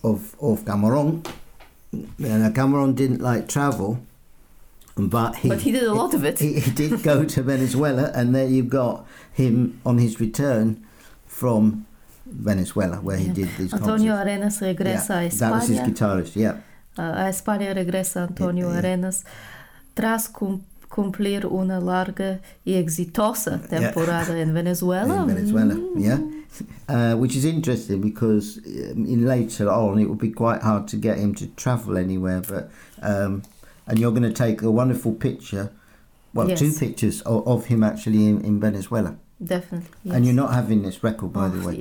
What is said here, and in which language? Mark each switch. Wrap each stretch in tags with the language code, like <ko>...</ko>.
<en>Of Cameron. Now, Cameron didn't like travel, but he did a lot of it. He did go to Venezuela, and there you've got him on his return from Venezuela, where he did these</en> <es>Antonio</es> <en>concerts.</en> <es>Arenas regresa a España.</es> <en>That was his guitarist, yeah.</en> <es>A España regresa Antonio Arenas tras cumplir una larga y exitosa temporada en Venezuela.</es> <en>In Venezuela, which is interesting, because in later on it would be quite hard to get him to travel anywhere. But and you're going to take a wonderful picture, two pictures of him actually in Venezuela. Definitely. Yes. And you're not having this record, by the way.</en>